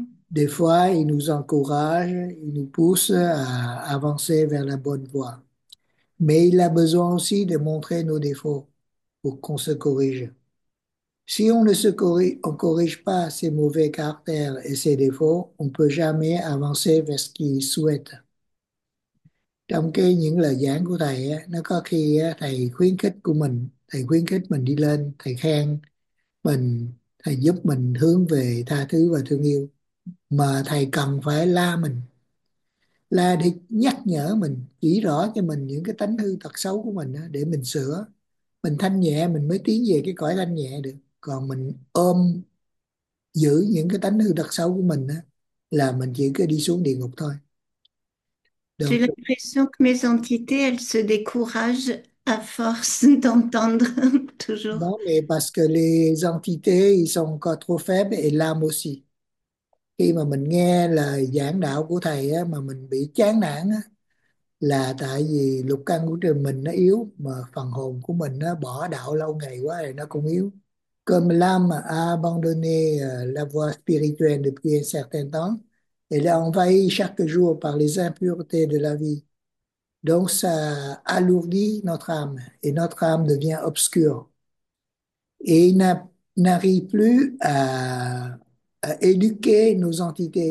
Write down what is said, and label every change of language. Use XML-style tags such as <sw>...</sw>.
<fr>Des fois, ils nous encouragent, ils nous poussent à avancer vers la bonne voie. Mais il a besoin aussi de montrer nos défauts pour qu'on se corrige. Si on ne se corrige, on corrige pas ses mauvais caractères et ses défauts, on ne peut jamais avancer vers ce qu'il souhaite.</fr> <vi>Trong cái những lời giảng của thầy, nó có khi thầy khuyến khích của mình, thầy khuyến khích mình đi lên, thầy khen mình, thầy giúp mình hướng về tha thứ và thương yêu. Mà thầy cần phải la mình, là để nhắc nhở mình, chỉ rõ cho mình những cái tánh hư tật xấu của mình để mình sửa. Mình thanh nhẹ mình mới tiến về cái cõi thanh nhẹ được. Còn mình ôm giữ những cái tánh hư tật xấu của mình là mình chỉ có đi xuống địa ngục thôi.</vi> <fr>J'ai Donc, l'impression que mes entités, elles se découragent à force d'entendre toujours. non, mais parce que les entités, ils sont encore trop faibles et l'âme aussi.</fr> <vi>Khi mà mình nghe lời giảng đạo của thầy á, mà mình bị chán nản á, là tại vì lục căn của trường mình nó yếu, mà phần hồn của mình nó bỏ đạo lâu ngày quá thì nó cũng yếu.</vi> <fr>Comme l'âme a abandonné la voie spirituelle depuis un certain temps, elle est envahie chaque jour par les impuretés de la vie. Donc ça alourdit notre âme et notre âme devient obscure. Et n'arrive plus à éduquer nos entités.</fr>